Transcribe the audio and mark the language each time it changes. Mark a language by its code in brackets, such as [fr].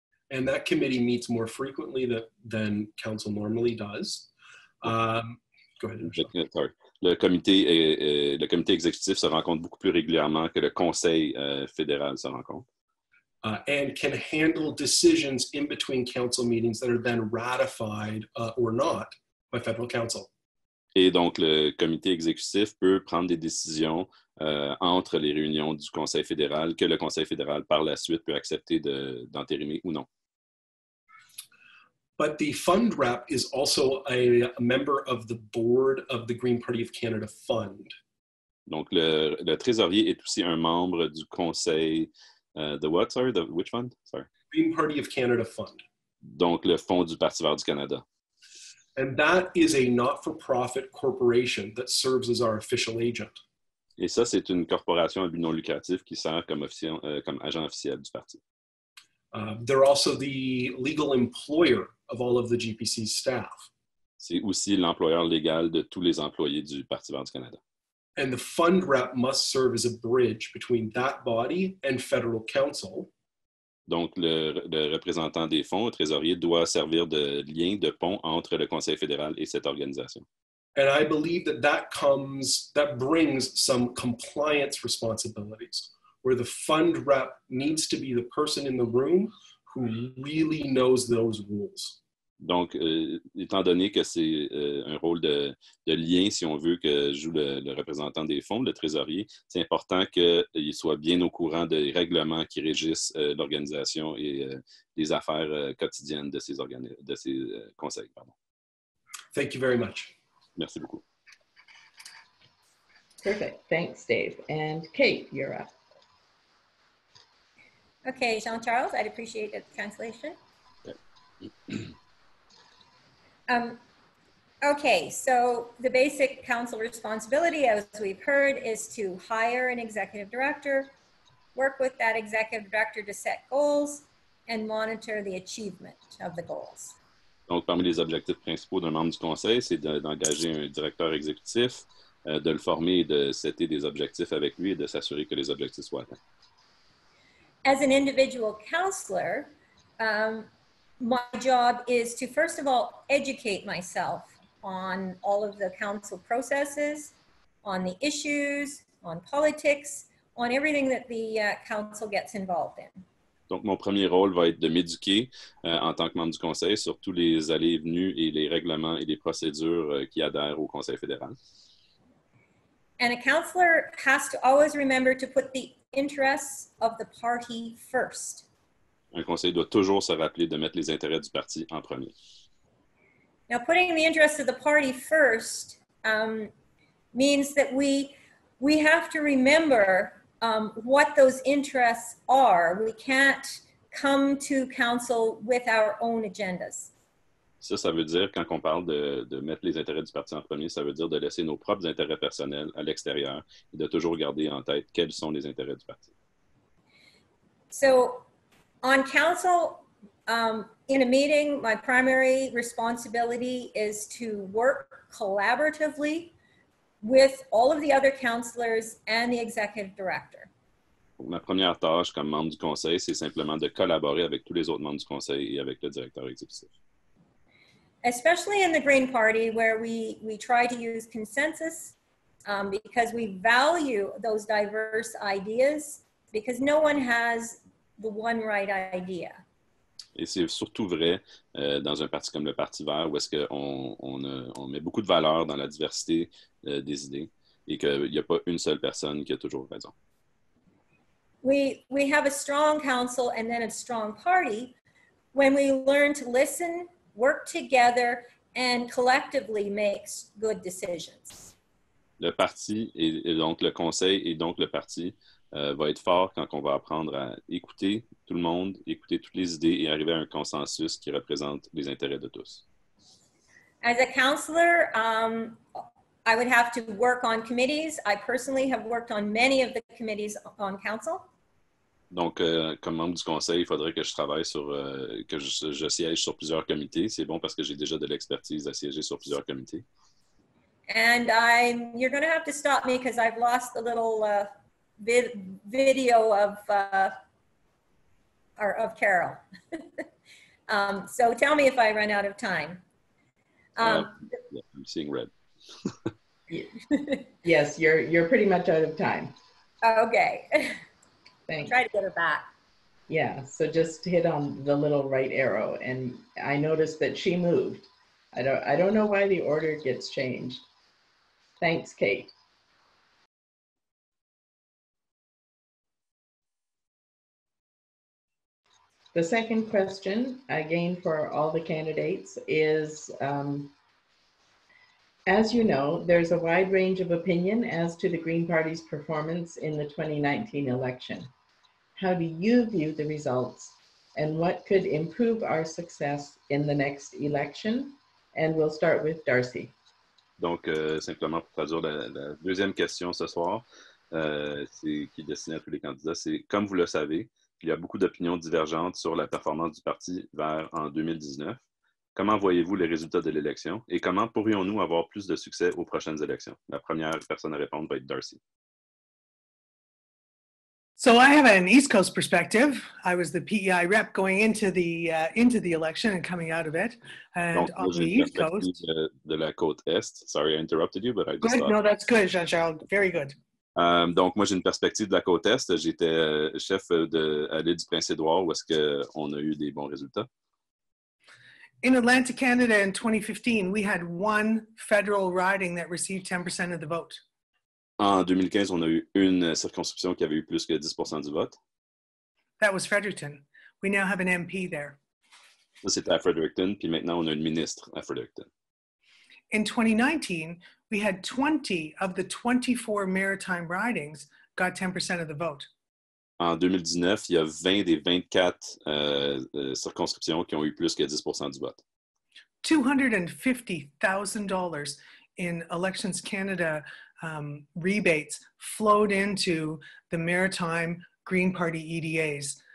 [en] And that committee meets more frequently than council normally does. Go ahead. [fr] Le comité exécutif se rencontre beaucoup plus régulièrement que le conseil fédéral se rencontre. [en] And can handle decisions in between council meetings that are then ratified or not by federal council. [fr] Et donc le comité exécutif peut prendre des décisions entre les réunions du conseil fédéral que le conseil fédéral par la suite peut accepter d'entérimer ou non. [en] But the fund rep is also a member of the board of the Green Party of Canada fund. [fr] Donc le trésorier est aussi un membre du conseil [en] Green Party of Canada fund. [fr] Donc le fonds du Parti Vert du Canada. [en] And that is a not-for-profit corporation that serves as our official agent. [fr] Et ça c'est une corporation à but non lucratif qui sert comme agent officiel du parti. [en] They're also the legal employer of all of the GPC staff. [fr] C'est aussi l'employeur légal de tous les employés du Parti Vert du Canada. [en] And the fund rep must serve as a bridge between that body and federal council. [fr] Donc le représentant des fonds, le trésorier, doit servir de lien, de pont entre le conseil fédéral et cette organisation. [en] And I believe that brings some compliance responsibilities, where the fund rep needs to be the person in the room who really knows those rules. [fr] Donc, étant donné que c'est un rôle de lien, si on veut, que joue le représentant des fonds, le trésorier, c'est important qu'il soit bien au courant des règlements qui régissent l'organisation et les affaires quotidiennes de ces conseils. Pardon. [en] Thank you very much. [fr] Merci beaucoup. [en] Perfect. Thanks, Dave. And Kate, you're up. Okay, Jean-Charles, I'd appreciate the translation. Okay, so the basic council responsibility, as we've heard, is to hire an executive director, work with that executive director to set goals, and monitor the achievement of the goals. [fr] Donc, parmi les objectifs principaux d'un membre du conseil, c'est d'engager un directeur exécutif, de le former et de setter des objectifs avec lui et de s'assurer que les objectifs soient atteints. [en] As an individual counselor, my job is to, first of all, educate myself on all of the council processes, on the issues, on politics, on everything that the council gets involved in. [fr] Donc, mon premier rôle va être de m'éduquer en tant que membre du conseil sur tous les allées et venues et les règlements et les procédures qui adhèrent au conseil fédéral. [en] And a counselor has to always remember to put the interests of the party first. [fr] Un conseil doit toujours se rappeler de mettre les intérêts du parti en premier. [en] Now, putting the interests of the party first means that we have to remember what those interests are. We can't come to council with our own agendas. [fr] Ça veut dire, quand on parle de mettre les intérêts du parti en premier, ça veut dire de laisser nos propres intérêts personnels à l'extérieur et de toujours garder en tête quels sont les intérêts du parti. [en] So, on council, in a meeting, my primary responsibility is to work collaboratively with all of the other counselors and the executive director. [fr] Ma première tâche comme membre du conseil, c'est simplement de collaborer avec tous les autres membres du conseil et avec le directeur exécutif. [en] Especially in the Green Party, where we try to use consensus because we value those diverse ideas, because no one has the one right idea. [fr] Et c'est surtout vrai dans un parti comme le Parti Vert, où est-ce qu'on met beaucoup de valeur dans la diversité des idées et qu'il n'y a pas une seule personne qui a toujours raison. [en] We have a strong council and then a strong party when we learn to listen, work together, and collectively make good decisions. [fr] Le parti, et donc le conseil, et donc le parti, va être fort quand on va apprendre à écouter tout le monde, écouter toutes les idées et arriver à un consensus qui représente les intérêts de tous. [en] As a counselor, I would have to work on committees. I personally have worked on many of the committees on council. [fr] Donc, comme membre du conseil, il faudrait que je travaille sur, que je siège sur plusieurs comités. C'est bon parce que j'ai déjà de l'expertise à siéger sur plusieurs comités. [en] And I'm, you're going to have to stop me because I've lost the little video of Carol. So tell me if I run out of time. Yeah, I'm seeing red. Yes, you're pretty much out of time. Okay. Thanks. Try to get her back. Yeah, so just hit on the little right arrow, and I noticed that she moved. I don't know why the order gets changed. Thanks, Kate. The second question, again for all the candidates, is as you know, there's a wide range of opinion as to the Green Party's performance in the 2019 election. How do you view the results, and what could improve our success in the next election? And we'll start with Darcy. [fr] Donc, simplement pour traduire la deuxième question ce soir, c'est qui est destinée à tous les candidats, c'est comme vous le savez, il y a beaucoup d'opinions divergentes sur la performance du parti vert en 2019. Comment voyez-vous les résultats de l'élection et comment pourrions-nous avoir plus de succès aux prochaines élections? La première personne à répondre va être Darcy. [en] So I have an East Coast perspective. I was the PEI rep going into the election and coming out of it. And [fr] donc, [en] on the East Coast. [fr] De la côte Est. [en] Sorry, I interrupted you, but I just good. Thought. No, that's good, Jean-Charles. Very good. [fr] Donc, moi, j'ai une perspective de la côte Est. J'étais chef à l'île du Prince-Édouard où est-ce qu'on a eu des bons résultats. [en] In Atlantic Canada in 2015, we had one federal riding that received 10% of the vote. [fr] En 2015, on a eu une circonscription qui avait eu plus que 10% du vote. [en] That was Fredericton. We now have an MP there. [fr] Ça, c'était à Fredericton, puis maintenant, on a une ministre à Fredericton. [en] In 2019, we had 20 of the 24 maritime ridings got 10% of the vote. [fr] En 2019, il y a 20 des 24 circonscriptions qui ont eu plus que 10% du vote. [en] $250,000 in Elections Canada rebates flowed into the maritime Green Party EDAs.